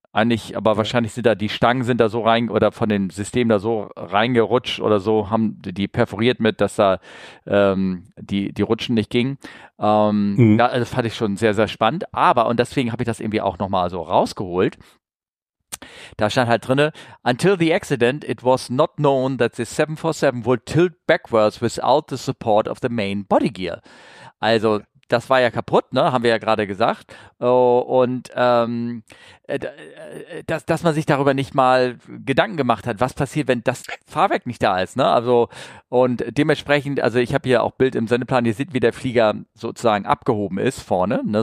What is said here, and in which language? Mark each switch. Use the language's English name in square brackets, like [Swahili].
[German] Eigentlich, aber wahrscheinlich sind da die Stangen sind da so rein oder von den Systemen da so reingerutscht oder so, haben die perforiert mit, dass da die Rutschen nicht gingen. Das fand ich schon sehr, sehr spannend, aber, und deswegen habe ich das irgendwie auch nochmal so rausgeholt. Da stand halt drinne, [English] until the accident, it was not known that the 747 would tilt backwards without the support of the main body gear. [German] Also, das war ja kaputt, ne? Haben wir ja gerade gesagt. Oh, und dass man sich darüber nicht mal Gedanken gemacht hat, was passiert, wenn das Fahrwerk nicht da ist, ne? Also, und dementsprechend, also ich habe hier auch Bild im Sendeplan, ihr seht, wie der Flieger sozusagen abgehoben ist vorne, ne?